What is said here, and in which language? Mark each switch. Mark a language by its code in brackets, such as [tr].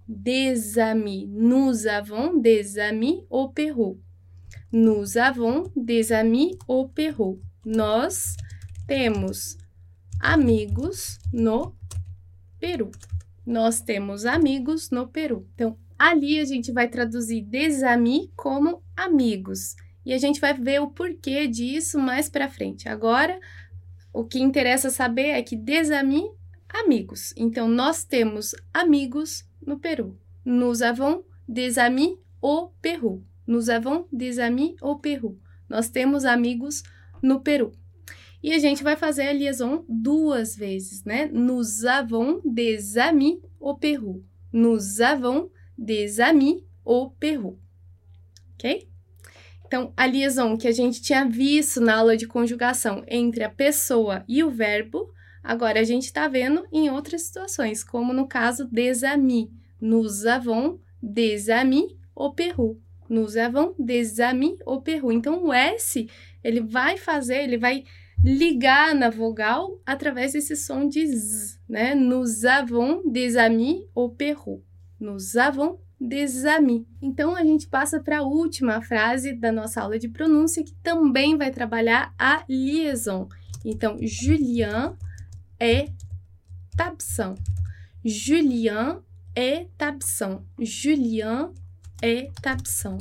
[fr] Nous avons des amis au Pérou. Nous avons des amis au Pérou. [pt] Nós temos amigos no Peru. Nós temos amigos no Peru. Então, ali a gente vai traduzir des amis como amigos. E a gente vai ver o porquê disso mais para frente. Agora, o que interessa saber é que des amis, amigos. Então, nós temos amigos no Peru. [fr] Nous avons des amis au Pérou. Nous avons des amis au Pérou. [pt] Nós temos amigos no Peru. E a gente vai fazer a liaison duas vezes, né? [fr] Nous avons des amis au Pérou. Nous avons des amis au Pérou. Ok? [pt] Então, a liaison que a gente tinha visto na aula de conjugação entre a pessoa e o verbo, agora a gente está vendo em outras situações, como no caso des amis. [fr] Nous avons des amis au Pérou. Nous avons des amis au Pérou. [pt] Então, o S, ele vai ligar na vogal através desse som de z, né? [fr] Nous avons des amis au Pérou. Nous avons des amis. [pt] Então, a gente passa para a última frase da nossa aula de pronúncia, que também vai trabalhar a liaison. [fr] Então, Julien est absent. Julien est absent. Julien est absent.